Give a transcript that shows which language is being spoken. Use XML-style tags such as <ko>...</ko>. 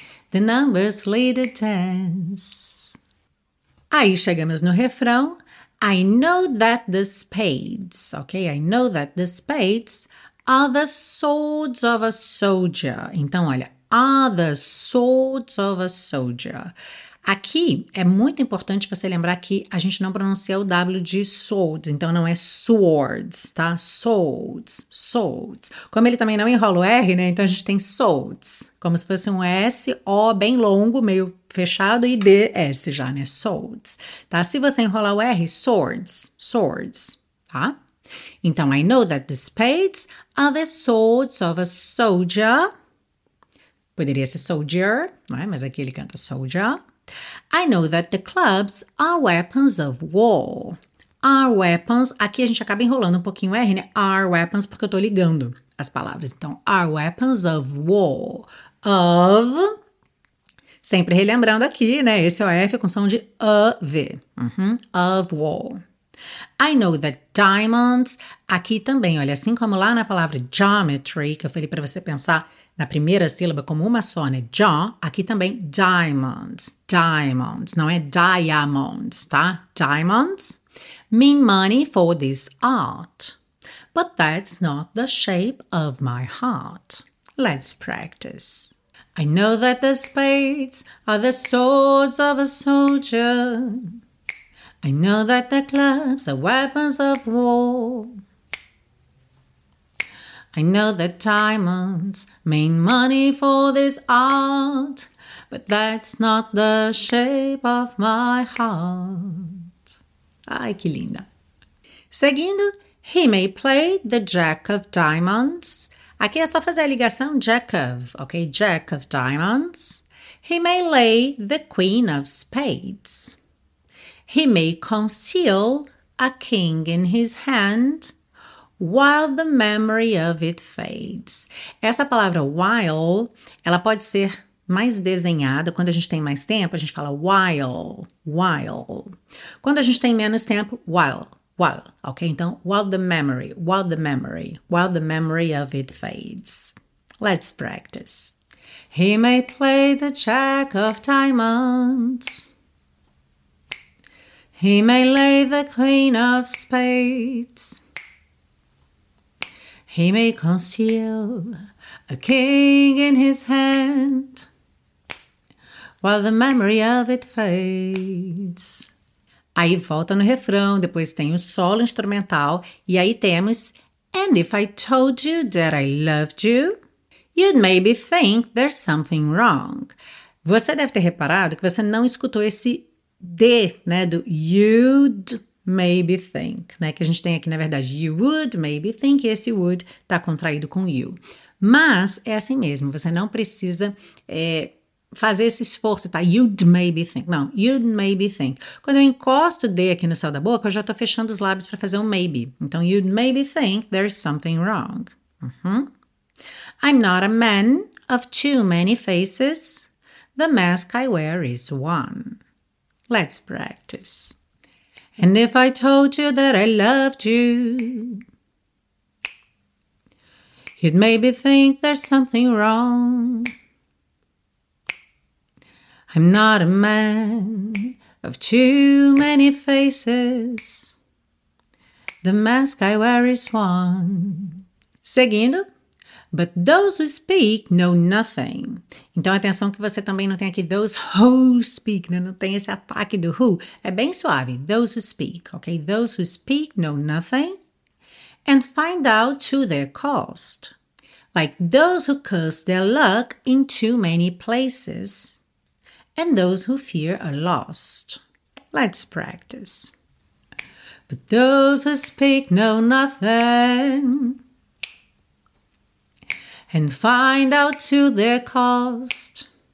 <en>The numbers lead a dance.</en> <pt>Aí chegamos no refrão.</pt> <en>I know that the spades, okay? I know that the spades are the swords of a soldier.</en> <pt>Então, olha,</pt> <en>are the swords of a soldier.</en> <pt>Aqui é muito importante você lembrar que a gente não pronuncia o W de swords, então não é swords, tá? Swords, swords. Como ele também não enrola o R, né? Então a gente tem swords, como se fosse um S, O bem longo, meio fechado e DS já, né? Swords, tá? Se você enrolar o R, swords, swords, tá? Então,</pt> <en>I know that the spades are the swords of a soldier.</en> <pt>Poderia ser soldier, não é? Mas aqui ele canta soldier.</pt> <en>I know that the clubs are weapons of war. Are weapons.</en> <pt>Aqui a gente acaba enrolando um pouquinho o R, né?</pt> <en>Are weapons,</en> <pt>porque eu tô ligando as palavras. Então,</pt> <en>are weapons of war.</en> <pt>Of. Sempre relembrando aqui, né? Esse é o F com som de of. Of war.</pt> <en>I know that diamonds.</en> <pt>Aqui também, olha, assim como lá na palavra geometry, que eu falei para você pensar. Na primeira sílaba, como uma só, né? John, aqui também, diamonds, diamonds, não é diamonds, tá?</pt> <en>Diamonds mean money for this art. But that's not the shape of my heart. Let's practice. I know that the spades are the swords of a soldier. I know that the clubs are weapons of war. I know that diamonds mean money for this art, but that's not the shape of my heart.</en> <pt>Ai, que linda! Seguindo,</pt> <en>he may play the Jack of Diamonds.</en> <pt>Aqui é só fazer a ligação Jack of, ok?</pt> <en>Jack of Diamonds. He may lay the Queen of Spades. He may conceal a king in his hand. While the memory of it fades.</en> <pt>Essa palavra while, ela pode ser mais desenhada. Quando a gente tem mais tempo, a gente fala while, while. Quando a gente tem menos tempo, while, while. Ok? Então,</pt> <en>while the memory, while the memory, while the memory of it fades. Let's practice. He may play the Jack of Diamonds. He may lay the Queen of Spades. He may conceal a king in his hand while the memory of it fades.</en> <pt>Aí volta no refrão, depois tem o solo instrumental e aí temos</pt> <en>And if I told you that I loved you, you'd maybe think there's something wrong.</en> <pt>Você deve ter reparado que você não escutou esse D, né, do you'd maybe think, né? Que a gente tem aqui, na verdade,</pt> <en>you would maybe think,</en> <pt>e esse would tá contraído com you. Mas é assim mesmo, você não precisa fazer esse esforço, tá?</pt> <en>You'd maybe think.</en> <pt>Não, you'd maybe think. Quando eu encosto o D aqui no céu da boca, eu já tô fechando os lábios para fazer um maybe. Então,</pt> <en>you'd maybe think there's something wrong. I'm not a man of too many faces. The mask I wear is one. Let's practice. And if I told you that I loved you, you'd maybe think there's something wrong. I'm not a man of too many faces. The mask I wear is one.</en> <pt>Seguindo,</pt> <en>But those who speak know nothing.</en> <pt>Então, atenção que você também não tem aqui</pt> <en>those who speak,</en> <pt>né? Não tem esse ataque do who. É bem suave.</pt> <en>Those who speak,</en> <pt>ok?</pt> <en>Those who speak know nothing and find out to their cost. Like those who curse their luck in too many places and those who fear a loss. Let's practice. But those who speak know nothing and find out to their cost.</en>